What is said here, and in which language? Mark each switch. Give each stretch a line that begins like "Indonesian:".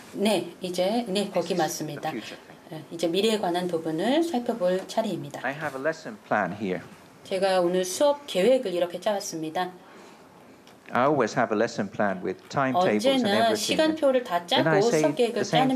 Korean: 네, 이제 네, 거기 맞습니다. 이제 미래에 관한 부분을 살펴볼 차례입니다.
English: I have a lesson plan here.
Korean: 제가 오늘 수업 계획을 이렇게 짜왔습니다.
English: I always have a lesson plan with timetables and everything.
Korean: 언제나 시간표를 다 짜고 수업 계획을 짜는 편입니다.